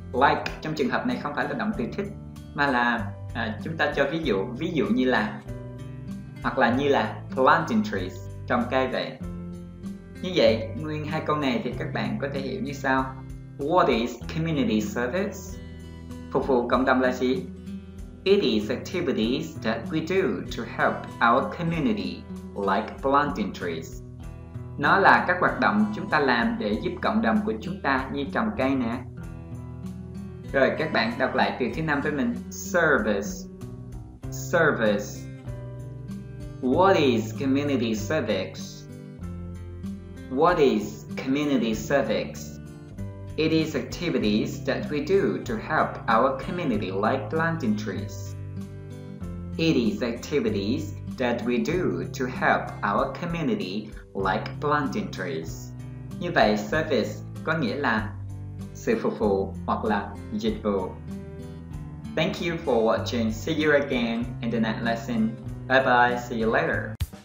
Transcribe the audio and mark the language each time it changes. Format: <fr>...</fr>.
<vi>Like trong trường hợp này không phải là động từ thích, mà là chúng ta cho ví dụ như là, hoặc là như là</vi> <en>planting trees,</en> <vi>trồng cây vậy. Như vậy, nguyên hai câu này thì các bạn có thể hiểu như sau.</vi> <en>What is community service?</en> <vi>Phục vụ cộng đồng là gì?</vi> <en>It is activities that we do to help our community, like planting trees.</en> <vi>Nó là các hoạt động chúng ta làm để giúp cộng đồng của chúng ta như trồng cây nè. Rồi các bạn đọc lại từ thứ 5 với mình.</vi> <en>Service. Service. What is community service? What is community service? It is activities that we do to help our community like planting trees. It is activities that we do to help our community like planting trees.</en> <vi>Như vậy, service có nghĩa là sự phục vụ hoặc là dịch vụ.</vi> <en>Thank you for watching. See you again in the next lesson. Bye bye. See you later.</en>